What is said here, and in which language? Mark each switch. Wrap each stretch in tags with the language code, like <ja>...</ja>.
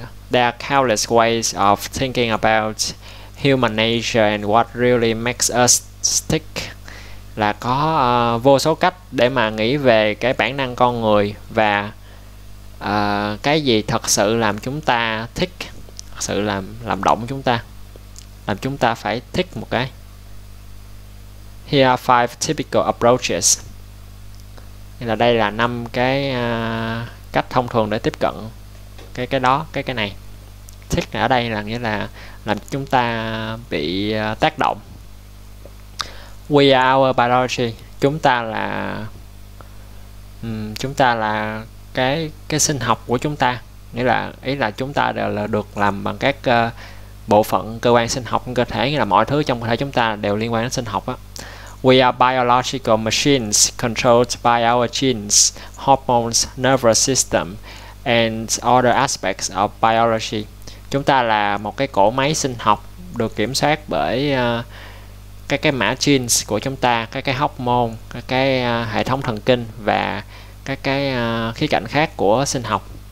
<en>There are countless ways of thinking about human nature and what really makes us tick.</en> <vi>Là có vô số cách để mà nghĩ về cái bản năng con người và cái gì thật sự làm chúng ta thích, thật sự làm động chúng ta, làm chúng ta phải thích một cái.</vi> <en>Here are five typical approaches.</en> <vi>Nên là đây là năm cái cách thông thường để tiếp cận cái đó, cái này. Thích ở đây là nghĩa là làm chúng ta bị tác động.</vi> <en>We are biology.</en> <vi>Chúng ta là cái sinh học của chúng ta, nghĩa là ý là chúng ta đều là được làm bằng các bộ phận cơ quan sinh học trong cơ thể, nghĩa là mọi thứ trong cơ thể chúng ta đều liên quan đến sinh học á.</vi> <en>We are biological machines controlled by our genes, hormones, nervous system and other aspects of biology.</en> <vi>Chúng ta là một cái cỗ máy sinh học được kiểm soát bởi cái mã genes của chúng ta, cái hóc môn, cái hệ thống thần kinh và cái khía cạnh khác của sinh học.</vi>